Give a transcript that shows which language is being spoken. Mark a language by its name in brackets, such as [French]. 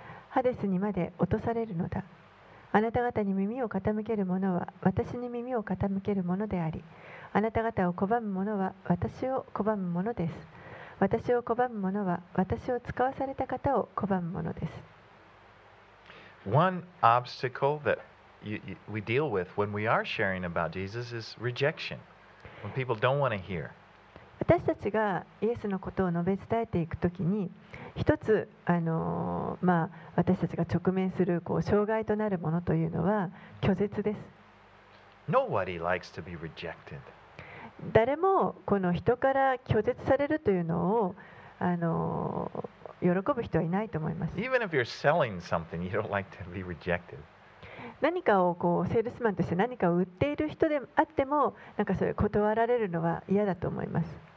[Japanese] ハデスにまで落とされるのだ。あなた方に耳を傾ける者は私に耳を傾ける者であり、あなた方を拒む者は私を拒む者です。私を拒む者は私を使わされた方を拒む者です。 [English] One obstacle thatWe deal with when we are sharing about Jesus is rejection. When people don't want to hear. [Japanese] 私たちがイエスのことを述べ伝えていくときに、一つ私たちが直面するこう障害となるものというのは拒絶です。 [English] Nobody likes to be rejected. [Japanese] 誰もこの人から拒絶されるというのを喜ぶ人はいないと思います。 [English] Even if you're selling something, you don't like to be rejected. [Japanese] 何かをこうセールスマンとして何かを売っている人であっても、なんかそれ断られるのは嫌だと思います。